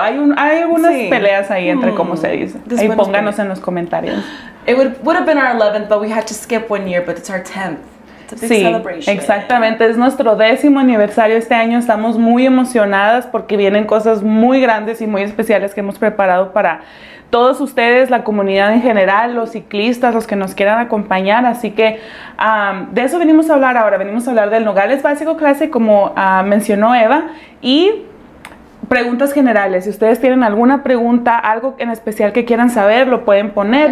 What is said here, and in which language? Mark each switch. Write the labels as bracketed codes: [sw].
[es] Hay unas peleas ahí entre cómo se dice. Ahí pónganos en los comentarios. [en] It would have been our 11th, but we had to skip 1 year, but it's our 10th. [es] Sí, exactamente. Es nuestro 10º aniversario este año. Estamos muy emocionadas porque vienen cosas muy grandes y muy especiales que hemos preparado para todos ustedes, la comunidad en general, los ciclistas, los que nos quieran acompañar. Así que de eso venimos a hablar ahora. Venimos a hablar del Nogales Básico Clase, como mencionó Eva, y preguntas generales. Si ustedes tienen alguna pregunta, algo en especial que quieran saber, lo pueden poner.